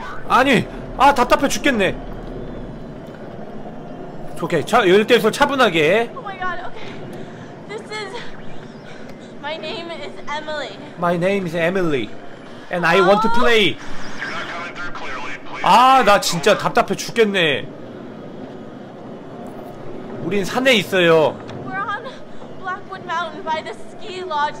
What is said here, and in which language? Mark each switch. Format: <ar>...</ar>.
<ko>아니, 아 답답해 죽겠네. 오케이, 차 이럴 때에서 차분하게.</ko> <en>Oh my God, okay. This is my name is Emily. My name is Emily, and I want to play. You're not coming through clearly. Please.</en> <ko>아, 나 진짜 답답해 죽겠네. 우린 산에 있어요.</ko> <en>We're on Blackwood Mountain by the ski lodge.</en>